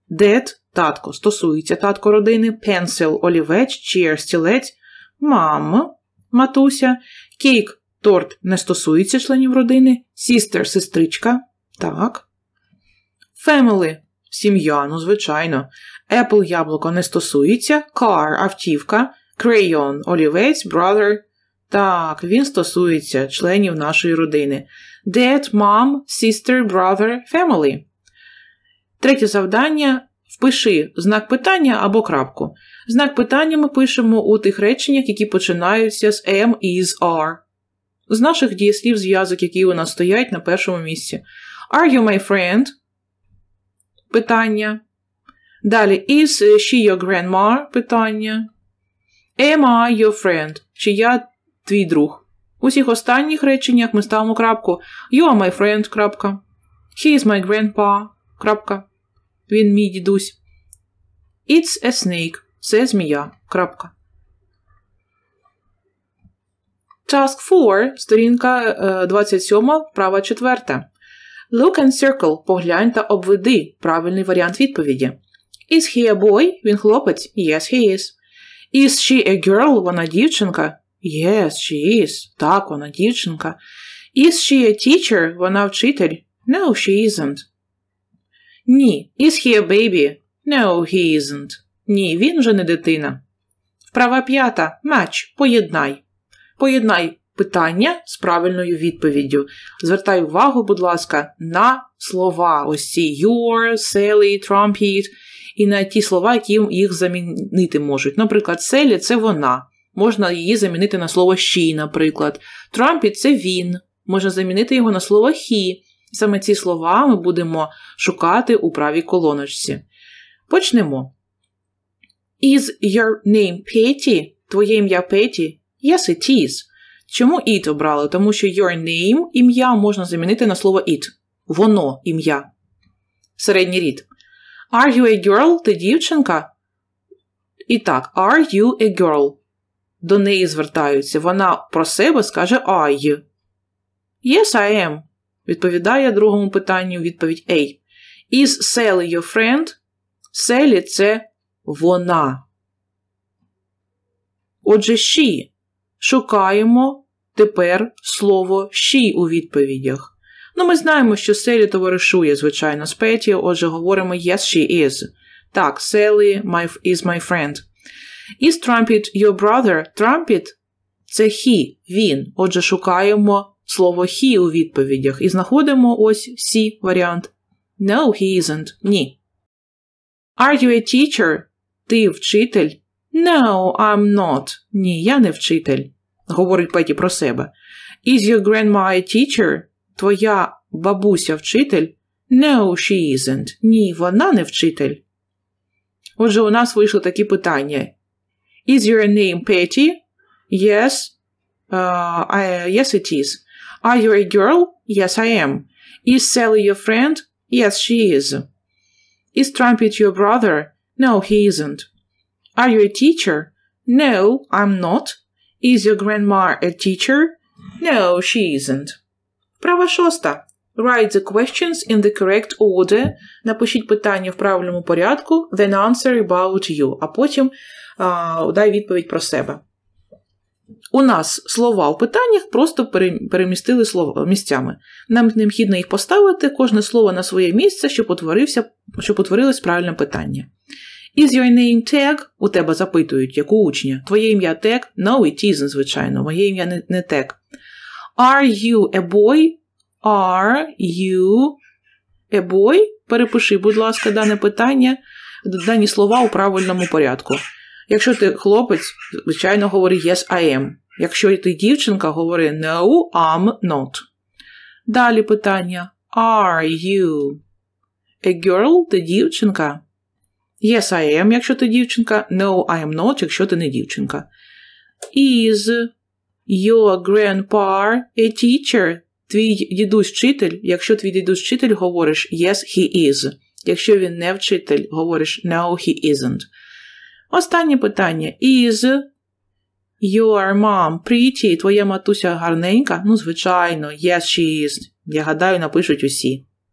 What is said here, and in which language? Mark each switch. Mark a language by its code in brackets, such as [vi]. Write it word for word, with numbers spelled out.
[en] Dad [uk] – татко, стосується татко родини, [en] pencil [uk] – олівець, [en] chair [uk] – стілець, [en] mom [uk] – матуся, [en] cake [uk] – торт не стосується членів родини, [en] sister [uk] – сестричка, так. [en] Family [uk] – сім'я, ну звичайно, [en] apple [uk] – яблуко не стосується, [en] car [uk] – автівка, [en] crayon [uk] – олівець, [en] brother [uk] – так, він стосується членів нашої родини. [en] Dad, mom, sister, brother, family. [uk] Третє завдання – впиши знак питання або крапку. Знак питання ми пишемо у тих реченнях, які починаються з am, is, are. З наших дієслів зв'язок, які у нас стоять на першому місці. [en] Are you my friend? [uk] Питання. Далі [en] is she your grandma? [uk] Питання. [en] Am I your friend? [uk] Чи я твій друг? У всіх останніх реченнях ми ставимо крапку. [en] You are my friend, [uk] крапка. [en] He is my grandpa, крапка. [uk] Він мій дідусь. [en] It's a snake. [uk] Це змія, крапка. Task чотири, сторінка двадцять сім, права четверта. [en] Look and circle. [uk] Поглянь та обведи. Правильний варіант відповіді. [en] Is he a boy? [uk] Він хлопець. [en] Yes, he is. Is she a girl? [uk] Вона дівчинка. [en] Yes, she is. [uk] Так, вона дівчинка. [en] Is she a teacher? [uk] Вона вчитель. [en] No, she isn't. [uk] Ні. [en] Is he a baby? No, he isn't. [uk] Ні, він вже не дитина. Вправа п'ята. [en] Match. [uk] Поєднай. Поєднай питання з правильною відповіддю. Звертай увагу, будь ласка, на слова. Ось ці your, Sally, trumpet. І на ті слова, які їх замінити можуть. Наприклад, Селі – це вона. Можна її замінити на слово [en] she, [uk] наприклад. Трампі – це він. Можна замінити його на слово [en] he. [uk] Саме ці слова ми будемо шукати у правій колоночці. Почнемо. [en] Is your name Petty? [uk] Твоє ім'я Петі? [en] Yes, it is. [uk] Чому it обрали? Тому що your name – ім'я можна замінити на слово it. Воно – ім'я. Середній рід. [en] Are you a girl? [uk] Ти дівчинка? І так, [en] are you a girl? [uk] До неї звертаються. Вона про себе скаже I. [en] Yes, I am. [uk] Відповідає другому питанню відповідь A. [en] Is Sally your friend? [uk] Sally – це вона. Отже, she. Шукаємо тепер слово she у відповідях. Ну, ми знаємо, що Селі товаришує, звичайно, з Петі, отже, говоримо yes, she is. Так, [en] Селі is my friend. Is Trumpet your brother? [uk] Trumpet – це [en] he, [uk] він. Отже, шукаємо слово he у відповідях і знаходимо ось C варіант. [en] No, he isn't. [uk] Ні. [en] Are you a teacher? [uk] Ти вчитель? [en] No, I'm not. [uk] Ні, я не вчитель. Говорить Петі про себе. [en] Is your grandma a teacher? [uk] Твоя бабуся вчитель? [en] No, she isn't. [uk] Ні, вона не вчитель. Отже, у нас вийшли такі питання. [en] Is your name Patty? Yes. Uh, I, yes, it is. Are you a girl? Yes, I am. Is Sally your friend? Yes, she is. Is Trumpet your brother? No, he isn't. Are you a teacher? No, I'm not. Is your grandma a teacher? No, she isn't. [uk] Права шоста. [en] Write the questions in the correct order. [uk] Напишіть питання в правильному порядку, [en] then answer about you, [uk] а потім а, дай відповідь про себе. У нас слова в питаннях просто перемістили слова місцями. Нам необхідно їх поставити, кожне слово на своє місце, щоб утворився, щоб утворилось правильне питання. [en] Is your name Tag? [uk] У тебе запитують, як у учня. Твоє ім'я Tag? [en] No, it isn't, [uk] звичайно. Моє ім'я не, не Tag. [en] Are you a boy? Are you a boy? [uk] Перепиши, будь ласка, дане питання, дані слова у правильному порядку. Якщо ти хлопець, звичайно, говори [en] yes, I am. [uk] Якщо ти дівчинка, говори [en] no, I'm not. [uk] Далі питання. [en] Are you a girl? [uk] Ти дівчинка? [en] Yes, I am, [uk] якщо ти дівчинка. [en] No, I am not, [uk] якщо ти не дівчинка. [en] Is your grandpa a teacher? [uk] Твій дідусь вчитель? Якщо твій дідусь вчитель, говориш [en] yes, he is. [uk] Якщо він не вчитель, говориш [en] no, he isn't. [uk] Останнє питання. [en] Is your mom pretty? [uk] Твоя матуся гарненька? Ну, звичайно, [en] yes, she is. [uk] Я гадаю, напишуть усі.